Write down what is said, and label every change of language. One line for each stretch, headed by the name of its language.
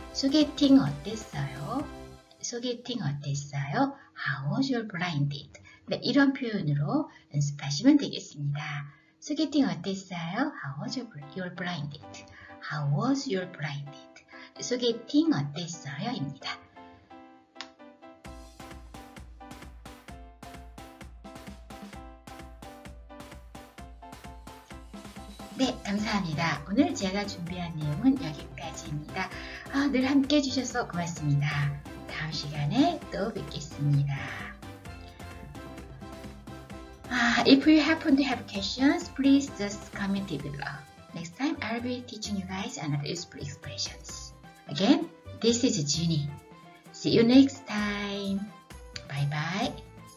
Korean: So getting 어땠어요?
English: How was your blind date?
Korean: 네, 이런 표현으로 연습하시면 되겠습니다. 소개팅 어땠어요?
English: How was your blind date? How was your blind date?
Korean: 소개팅 어땠어요? 입니다. 네, 감사합니다. 오늘 제가 준비한 내용은 여기까지입니다. 아, 늘 함께 해주셔서 고맙습니다. 다음 시간에 또 뵙겠습니다.
English: If you happen to have questions, please just comment it below. Next time, I'll be teaching you guys another useful expressions. Again, this is Junie. See you next time. Bye-bye.